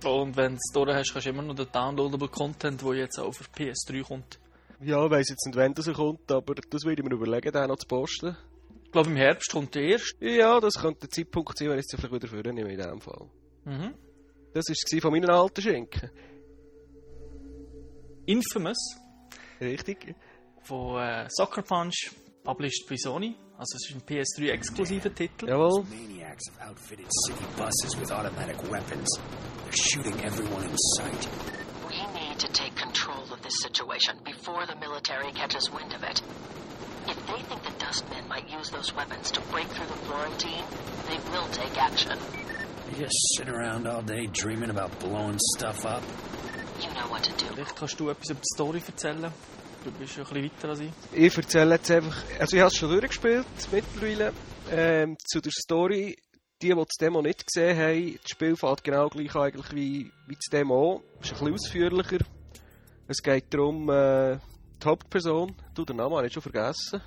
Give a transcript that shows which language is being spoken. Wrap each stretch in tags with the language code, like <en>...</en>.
<de>Und wenn du es durch hast, kannst du immer noch den downloadable Content, der jetzt auch für PS3 kommt. Ja, ich weiss jetzt nicht, wann das kommt, aber das würde ich mir überlegen, den noch zu posten. Ich glaube, im Herbst kommt der erste. Ja, das könnte der Zeitpunkt sein, wenn ich es vielleicht wieder vornehme in dem Fall. Mhm. Das war es von meinen alten Schinken. Infamous. Richtig. Von Sucker Punch, published by Sony. Also es ist ein PS3-exklusiver Titel. Jawohl.</de> <en>Maniacs have outfitted city buses with automatic weapons. They're shooting everyone in sight. We need to take control of this situation before the military catches wind of it. If they think the Dustmen might use those weapons to break through the Florentine, they will take action. You just sit around all day dreaming about blowing stuff up. You know what to do.</en> <de>Vielleicht kannst du etwas über die Story erzählen. Du bist ein bisschen weiter als ich. Ich erzähle jetzt einfach, also ich habe es schon durchgespielt mittlerweile. Zu der Story, die das Demo nicht gesehen haben, das Spiel fängt genau gleich eigentlich wie das Demo. Es ist ein bisschen ausführlicher. Es geht darum, die Hauptperson, du, den Namen habe ich schon vergessen.</de>